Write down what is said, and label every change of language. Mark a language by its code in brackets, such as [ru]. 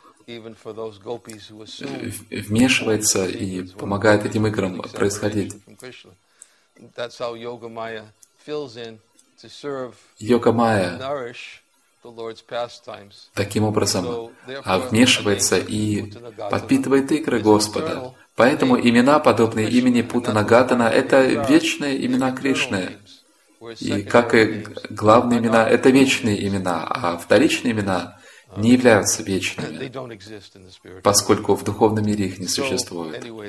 [ru] вмешивается и помогает этим играм происходить. [en] That's how Yoga Maya fills in to serve. Йога Майя nourish the Lord's pastimes. [ru] Таким образом, вмешивается и подпитывает игры Господа. Поэтому имена, подобные имени Путанагатана, это вечные имена Кришны. И как и главные имена, это вечные имена, а вторичные имена не являются вечными, поскольку в духовном мире их не существует.